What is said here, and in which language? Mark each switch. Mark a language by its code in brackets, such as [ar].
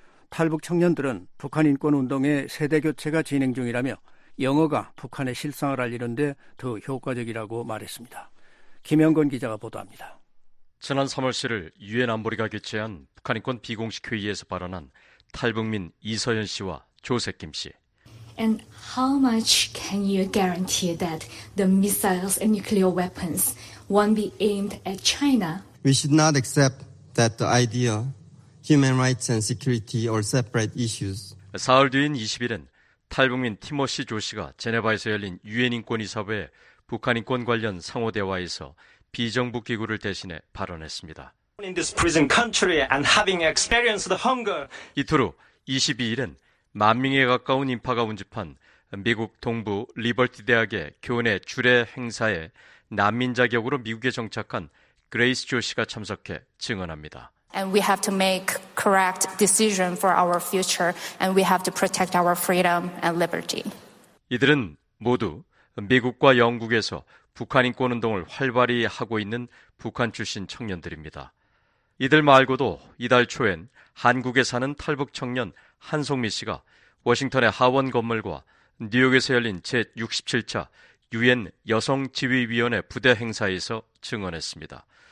[ko] 탈북 청년들은 북한 인권운동의 세대교체가 진행 중이라며 영어가 북한의 실상을 알리는 데 더 효과적이라고 말했습니다. 김영건 기자가 보도합니다. 지난 3월 7일 유엔 안보리가 개최한 북한 인권 비공식 회의에서 발언한 탈북민 이서연 씨와 조세김 씨. [en] And how much can you guarantee that the missiles and nuclear weapons won't be aimed at China? We should not accept that the idea human rights and security are separate issues. [ko] 사흘 뒤인 20일엔 탈북민 티머시 조 씨가 제네바에서 열린 유엔 인권이사회 북한 인권 관련 상호 대화에서 비정부 기구를 대신해 발언했습니다. [en] In this prison country and having experienced the hunger. [ko] 이틀후 22일엔 만 명에 가까운 인파가 운집한 미국 동부 리버티 대학의 교내 주례 행사에 난민 자격으로 미국에 정착한 그레이스 조 씨가 참석해 증언합니다. [en] And we have to make correct decision for our future and we have to protect our freedom and liberty. [ko] 이들은 모두 미국과 영국에서 북한 인권 운동을 활발히 하고 있는 북한 출신 청년들입니다. 이들 말고도 이달 초엔 한국에 사는 탈북 청년 한송미 씨가 워싱턴의 하원 건물과 뉴욕에서 열린 제67차 유엔 여성지위위원회 부대 행사에서 증언했습니다.